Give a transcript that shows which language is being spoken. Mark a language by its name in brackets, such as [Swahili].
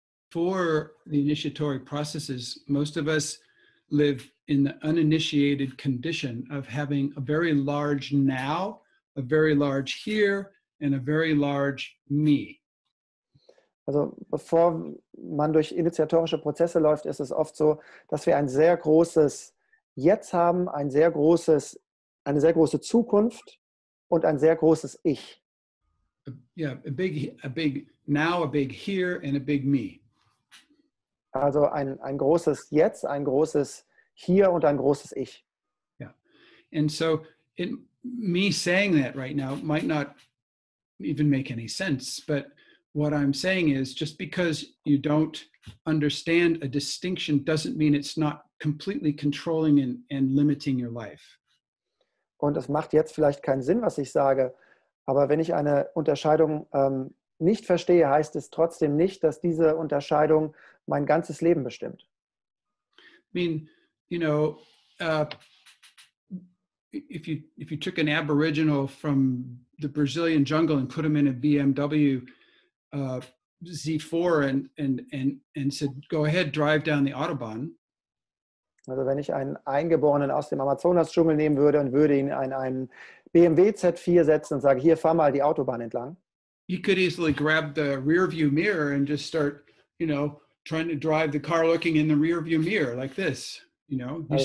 [English] for the initiatory processes, most of us live in the uninitiated condition of having a very large now, a very large here, and a very large me. [German] Also bevor man durch initiatorische Prozesse läuft, ist es oft so, dass wir ein sehr großes Jetzt haben, ein sehr großes, eine sehr große Zukunft und ein sehr großes Ich. [English] Yeah, a big now, a big here and a big me. [German] Also ein großes Jetzt, ein großes Hier und ein großes Ich. [English] Yeah. And so in me saying that right now might not even make any sense, but what I'm saying is just because you don't understand a distinction doesn't mean it's not completely controlling and limiting your life. [German] Und es macht jetzt vielleicht keinen Sinn, was ich sage, aber wenn ich eine Unterscheidung nicht verstehe, heißt es trotzdem nicht, dass diese Unterscheidung mein ganzes Leben bestimmt. [English] I mean, you know, if you took an Aboriginal from the Brazilian jungle and put him in a BMW Z4 and said, go ahead, drive down the Autobahn. [German] Also wenn ich einen Eingeborenen aus dem Amazonas-Dschungel nehmen würde und würde ihn in einen BMW Z4 setzen und sage, hier, fahr mal die Autobahn entlang. [English] He could easily grab the rearview mirror and just start, you know, trying to drive the car looking in the rearview mirror like this, you know.